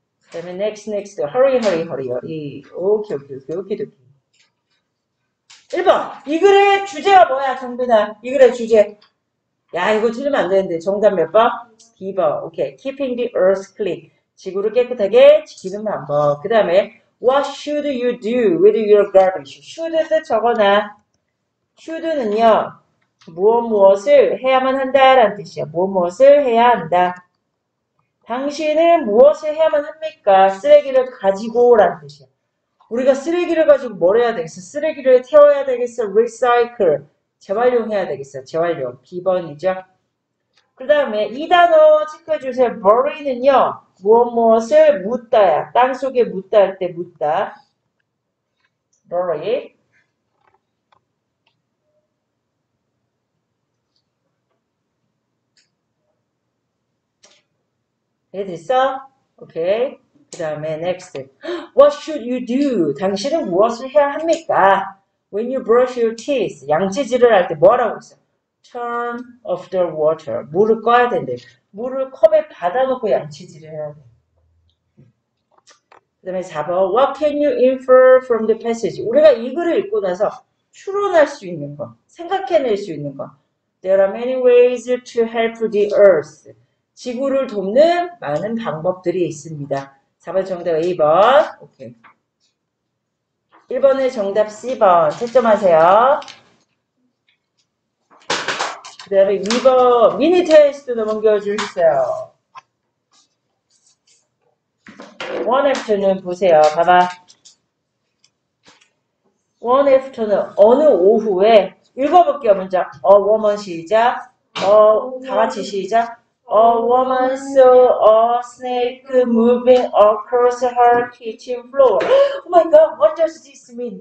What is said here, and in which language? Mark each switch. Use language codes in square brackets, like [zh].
[ko] 그다음에 next next hurry hurry hurry 이 오케이 오케이 오케이 오케이. 1번 이 글의 주제가 뭐야? 정빈아 이 글의 주제. 야 이거 틀리면 안 되는데 정답 몇 번? 2번. 오케이. [en] Keeping the earth clean. [ko] 지구를 깨끗하게 지키는 방법. 그다음에 [en] what should you do with your garbage? [ko] should을 적어놔. should는요. 무엇무엇을 해야만 한다라는 뜻이야. 무엇무엇을 해야 한다. 당신은 무엇을 해야만 합니까? 쓰레기를 가지고라는 뜻이야. 우리가 쓰레기를 가지고 뭘 해야 되겠어? 쓰레기를 태워야 되겠어? recycle. 재활용해야 되겠어. 재활용. B번이죠. 그 다음에 이 단어 체크해 주세요. bury는요. 무엇무엇을 묻다야. 땅속에 묻다 할때 묻다. bury. 애들 있어? 오케이. 그 다음에 next. [en] What should you do? [ko] 당신은 무엇을 해야 합니까? [en] When you brush your teeth, [ko] 양치질을 할때 뭐라고 했어? [en] Turn off the water. [ko] 물을 꺼야 된대. 물을 컵에 받아놓고 양치질을 해야 돼. 그 다음에 4번. [en] What can you infer from the passage? [ko] 우리가 이 글을 읽고 나서 추론할 수 있는 거, 생각해낼 수 있는 거. [en] There are many ways to help the earth. [ko] 지구를 돕는 많은 방법들이 있습니다. 4번 정답 A번. 오케이. 1번의 정답 C번. 채점하세요. 그다음에 2번 미니 테스트 넘겨주세요. [en] One afternoon 보세요. [ko] 봐봐. [en] One afternoon [ko] 어느 오후에 읽어볼게요. 문장. A woman 시작. 다 같이 시작. [en] A woman saw a snake moving across her kitchen floor. Oh my god, what does this mean?